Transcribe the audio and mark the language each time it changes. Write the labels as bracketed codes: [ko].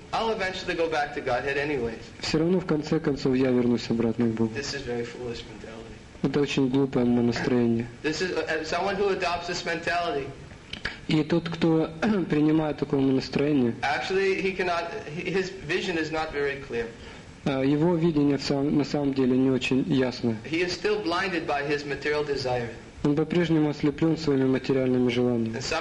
[en] I'll eventually go back to Godhead anyways. [ru] Все равно в конце концов я вернусь обратно к Богу. [en] This is very foolish mentality. [ru] Это очень глупое настроение. [en] This is someone who adopts this mentality. [ru] И тот, кто принимает такое настроение. [en] Actually, he cannot. His vision is not very clear. [ru] Его видение на самом деле не очень ясное. [en] He is still blinded by his material desire. [ru] Он по-прежнему ослеплен своими материальными желаниями.